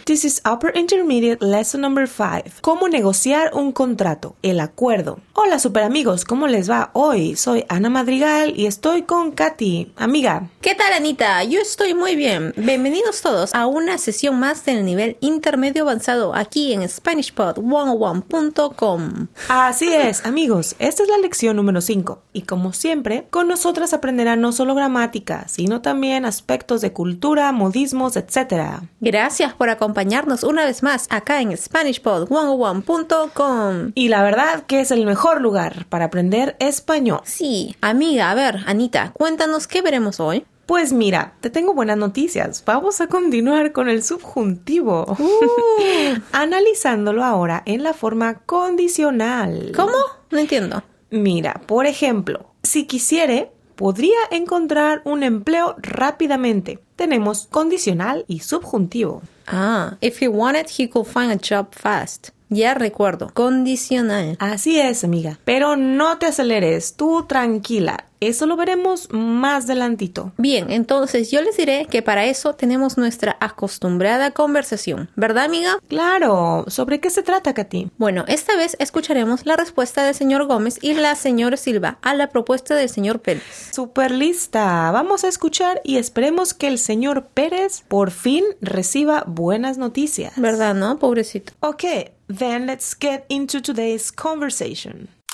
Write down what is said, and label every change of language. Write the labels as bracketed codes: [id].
[en] This is Upper Intermediate Lesson Number 5. [es] ¿Cómo negociar un contrato? El acuerdo. Hola, super amigos. ¿Cómo les va hoy? Soy Ana Madrigal y estoy con Katy, amiga. ¿Qué tal, Anita? Yo estoy muy bien. Bienvenidos todos a una sesión más del nivel intermedio avanzado aquí en SpanishPod101.com. Así es, amigos. Esta es la lección número 5. Y como siempre, con nosotras aprenderán no solo gramática, sino también aspectos de cultura, modismos, etc. Gracias por acompañarnos una vez más acá en SpanishPod101.com. Y la verdad que es el mejor lugar para aprender español. Sí, amiga, a ver, Anita, cuéntanos qué veremos hoy. Pues mira, te tengo buenas noticias. Vamos a continuar con el subjuntivo. Analizándolo ahora en la forma condicional. ¿Cómo? No entiendo. Mira, por ejemplo, si quisiere, podría encontrar un empleo rápidamente. Tenemos condicional y subjuntivo. [en] Ah, if he wanted, he could find a job fast. [es] Ya recuerdo, condicional. Así es, amiga. Pero no te aceleres, tú tranquila. Eso lo veremos más adelantito. Bien, entonces yo les diré que para eso tenemos nuestra acostumbrada conversación. ¿Verdad, amiga? Claro. ¿Sobre qué se trata, Katy? Bueno, esta vez escucharemos la respuesta del señor Gómez y la señora Silva a la propuesta del señor Pérez. ¡Súper lista! Vamos a escuchar y esperemos que el señor Pérez por fin reciba buenas noticias. ¿Verdad, no? Pobrecito. [en] Ok, then let's get into today's conversation.